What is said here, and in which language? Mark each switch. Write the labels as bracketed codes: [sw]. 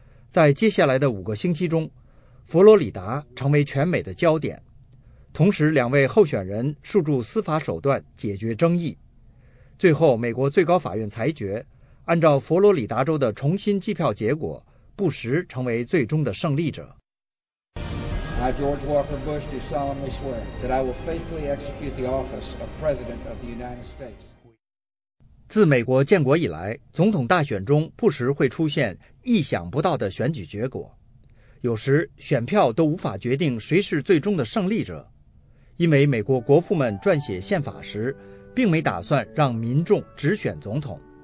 [zh] 在接下来的五个星期中，佛罗里达成为全美的焦点。同时，两位候选人诉诸司法手段解决争议。最后，美国最高法院裁决，按照佛罗里达州的重新计票结果，布什成为最终的胜利者。 [en] I, George Walker Bush, do solemnly swear that I will faithfully execute the office of President of the United States. [zh] 自美国建国以来，总统大选中不时会出现意想不到的选举结果，有时选票都无法决定谁是最终的胜利者，因为美国国父们撰写宪法时，并没打算让民众直选总统。